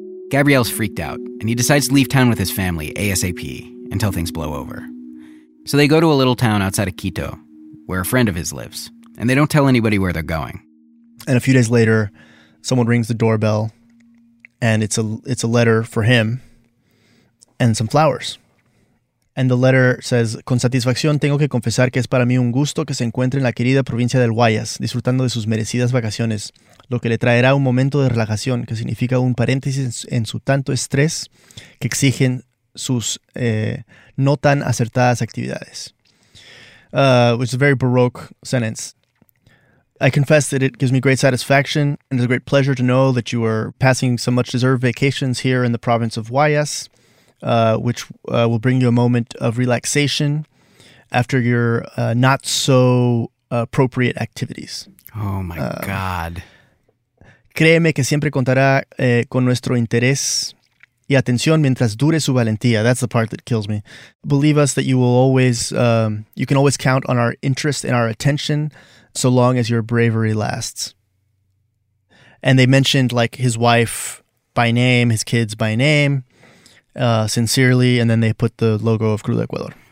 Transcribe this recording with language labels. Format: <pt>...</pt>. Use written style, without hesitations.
<en>Gabriel's freaked out, and he decides to leave town with his family, ASAP, until things blow over. So they go to a little town outside of Quito, where a friend of his lives, and they don't tell anybody where they're going. And a few days later, someone rings the doorbell, and it's a letter for him and some flowers.</en> <es>And the letter says, con satisfacción tengo que confesar que es para mí un gusto que se encuentre en la querida provincia del Guayas, disfrutando de sus merecidas vacaciones, lo que le traerá un momento de relajación, que significa un paréntesis en su tanto estrés que exigen sus no tan acertadas actividades.</es> <en>Which is a very Baroque sentence. I confess that it gives me great satisfaction and it's a great pleasure to know that you are passing some much-deserved vacations here in the province of Guayas. Which will bring you a moment of relaxation after your not-so-appropriate activities. Oh, my God.</en> <es>Créeme que siempre contará con nuestro interés y atención mientras dure su valentía.</es> <en>That's the part that kills me. Believe us that you will always, you can always count on our interest and our attention so long as your bravery lasts. And they mentioned, like, his wife by name, his kids by name. Sincerely, and then they put the logo of Crudo Ecuador.</en>